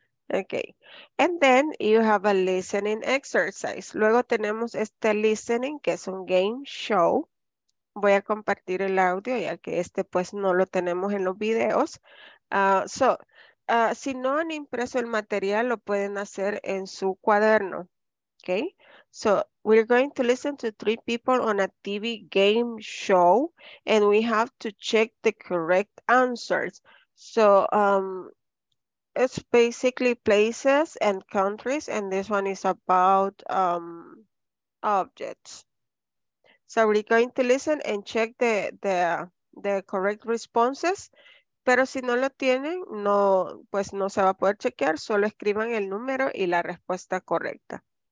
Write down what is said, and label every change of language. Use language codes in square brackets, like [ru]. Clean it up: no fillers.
[en] Okay, and then you have a listening exercise. [es] Luego tenemos este listening, que es un game show. Voy a compartir el audio, ya que este pues no lo tenemos en los videos. Si no han impreso el material, lo pueden hacer en su cuaderno. [en] Okay, so we're going to listen to three people on a TV game show, and we have to check the correct answers. So it's basically places and countries, and this one is about objects. So we're going to listen and check the correct responses. [es] Pero si no lo tienen, no, pues no se va a poder chequear. Solo escriban el número y la respuesta correcta.